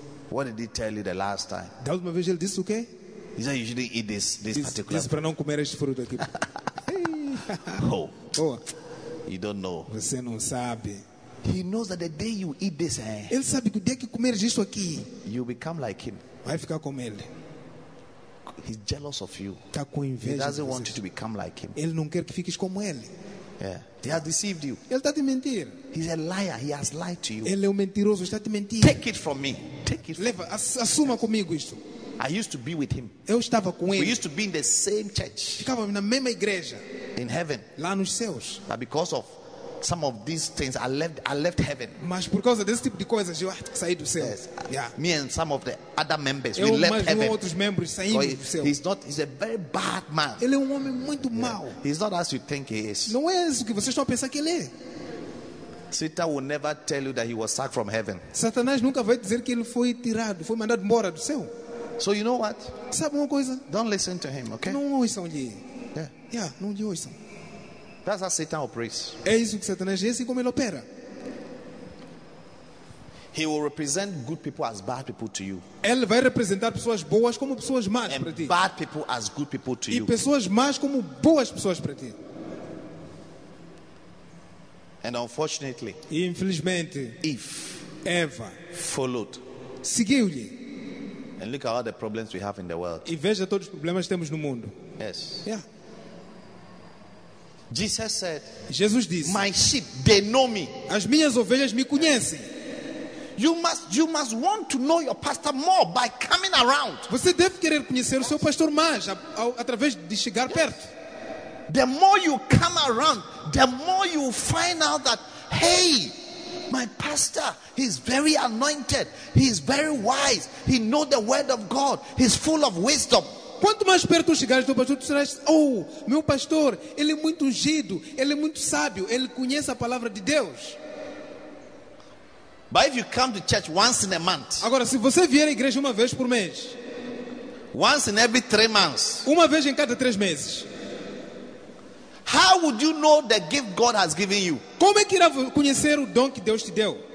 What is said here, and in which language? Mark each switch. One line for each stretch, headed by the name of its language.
English: What did he tell you the last time?
Portuguese: Da última vez ele disse o quê?
English: He said, you shouldn't eat this particular.
Portuguese: Disse para não comer este fruto aqui.
English: Oh, you don't know.
Portuguese: Você não sabe.
English: He knows that the day you eat this,
Portuguese: ele sabe que o dia que comeres isso aqui,
English: you become like him.
Portuguese: Vai ficar como ele.
English: He's jealous of you.
Portuguese: Tá com inveja.
English: He doesn't want you to become like him.
Portuguese: Ele não quer que fiques como ele.
English: Yeah, he has deceived you.
Portuguese: Ele está te mentir.
English: He's a liar. He has lied to you.
Portuguese: Ele é um mentiroso. Está te mentir.
English: Take it from me. Take it.
Portuguese: Leva, assuma comigo isso.
English: I used to be with him.
Portuguese: Eu estava com ele.
English: We used to be in the same church.
Portuguese: Ficávamos na mesma igreja.
English: In heaven.
Portuguese: Lá nos céus.
English: But because of some of these things, I left heaven.
Portuguese: Mas por causa desse tipo de coisas, eu saí do céu. Yes. Yeah.
English: Me and some of the other members, we left heaven.
Portuguese: Eu e outros membros saímos do céu.
English: He's a very bad man.
Portuguese: Ele é homem muito mau.
English: He's not as you think he is.
Portuguese: Não é isso que vocês estão a pensar que ele é.
English: Satan will never tell you that he was sacked from heaven.
Portuguese: Satanás nunca vai dizer que ele foi tirado, foi mandado embora do céu.
English: So you know what?
Portuguese: Sabe uma coisa?
English: Don't listen to him, okay?
Portuguese: Não ouçam-lhe. Yeah. Yeah, não lhe ouçam.
English: That's how Satan operates.
Portuguese: É isso que Satanás diz, assim como ele opera.
English: He will represent good people as bad people to you.
Portuguese: Ele vai representar pessoas boas como pessoas más para ti.
English: And bad people as good people to you.
Portuguese: E pessoas más como boas pessoas para ti.
English: And unfortunately,
Portuguese: e infelizmente,
English: Eve,
Portuguese: Eva,
English: followed,
Portuguese: seguiu-lhe.
English: And look at all the problems we have in the world.
Portuguese: E veja todos os problemas que temos no mundo. Yes. Yeah.
English: Jesus said,
Portuguese: Jesus disse,
English: "My sheep, they know me."
Portuguese: As minhas ovelhas me conhecem.
English: You must want to know your pastor more by coming around.
Portuguese: Você deve querer conhecer o seu pastor mais através de chegar perto.
English: The more you come around, the more you find out that, hey, my pastor, he's very anointed, he's very wise, he knows the word of God, he's full of wisdom.
Portuguese: Quanto mais perto chegares do pastor, tu serás, oh, meu pastor, ele é muito ungido, ele é muito sábio, ele conhece a palavra de Deus.
English: But if you come to church once in a month,
Portuguese: agora, se você vier à igreja uma vez por mês,
English: once in every 3 months,
Portuguese: uma vez em cada 3 meses,
English: how would you know the gift God has given you?
Portuguese: Como é que irá conhecer o dom que Deus te deu?